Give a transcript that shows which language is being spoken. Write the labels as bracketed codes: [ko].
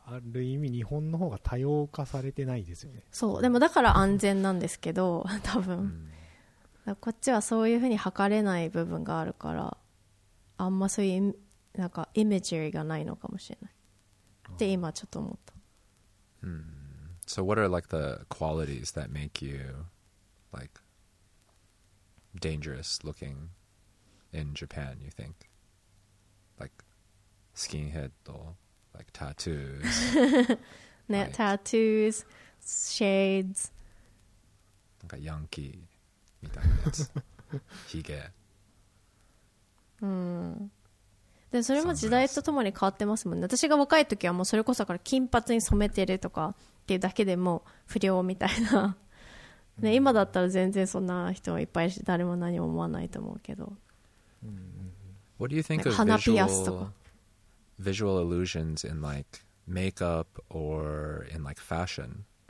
[ja] ある意味日本の方が多様化されてないですよね。そう、でもだから安全なんですけど多分、だこっちはそういうふうに測れない部分があるから、あんまそういうなんかイメージがないのかもしれないって今ちょっと思った。 [en] So what are like the qualities that make you like dangerous looking in Japan? You think like skinhead と like tattoos, ね、right. tattoos, shades, [ja] なんかヤンキーみたいなやつ、ひげ。でそれも時代とともに変わってますもんね。私が若い時はもうそれこそから金髪に染めてるとかっていうだけでもう不良みたいな、ね、今だったら全然そんな人はいっぱいし誰も何も思わないと思うけど、 [en] What do you think of visual, [ja] 鼻ピアスとか [en] visual illusions in like makeup or in like fashion?